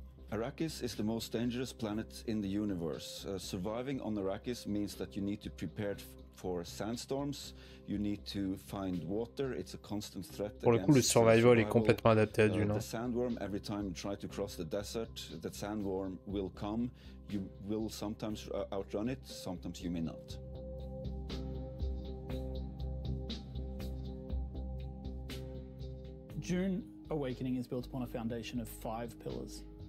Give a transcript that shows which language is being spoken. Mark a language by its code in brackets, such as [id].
[en] Arrakis is the most dangerous planet in the universe. Surviving on Arrakis means that you need to prepare for sandstorms. You need to find water. It's a constant threat. [fr] Pour le coup, le survival est complètement adapté à Dune. [en] The sandworm, every time you try to cross the desert, the sandworm will come. You will sometimes outrun it, sometimes you may not. Dune Awakening is built upon a foundation of five pillars.